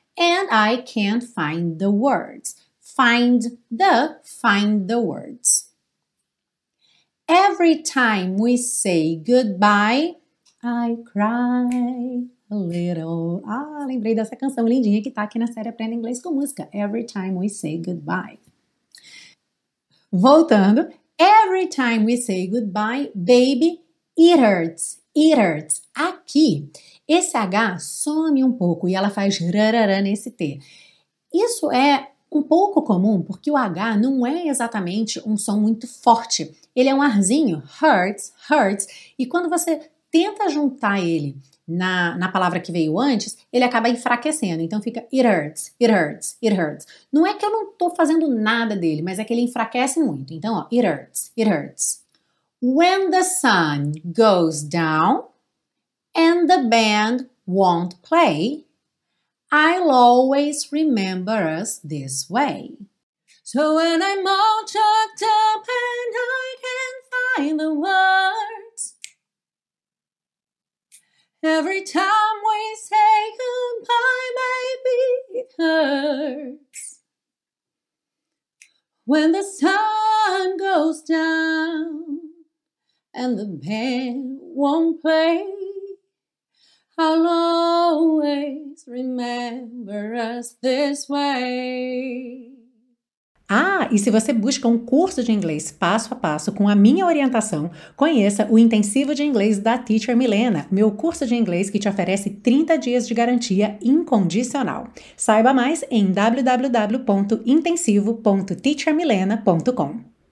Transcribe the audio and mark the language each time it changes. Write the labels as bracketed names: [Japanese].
[English] And I can't find the words. Find the words. Every time we say goodbye, I cry. A little. [Portuguese] Ah, lembrei dessa canção lindinha que tá aqui na série Aprenda Inglês com Música. [English] Every time we say goodbye. [Portuguese] Voltando. [English] Every time we say goodbye, baby, it hurts. It hurts. [Portuguese] Aqui, esse H some um pouco e ela faz rararã nesse T. Isso é um pouco comum porque o H não é exatamente um som muito forte. Ele é um arzinho. [English] Hurts, hurts. [Portuguese] E quando você tenta juntar ele na palavra que veio antes, ele acaba enfraquecendo. Então fica [English] it hurts, it hurts, it hurts. [Portuguese] Não é que eu não estou fazendo nada dele, mas é que ele enfraquece muito. Então, ó, [English] it hurts, it hurts. When the sun goes down and the band won't play, I'll always remember us this way. So when I'm all choked up and I can't find the words, every time we say goodbye, baby, it hurts. When the sun goes down and the band won't play, I'll always remember us this way. [Portuguese] Ah, e se você busca um curso de inglês passo a passo com a minha orientação, conheça o Intensivo de Inglês da Teacher Milena, meu curso de inglês que te oferece 30 dias de garantia incondicional. Saiba mais em www.intensivo.teachermilena.com.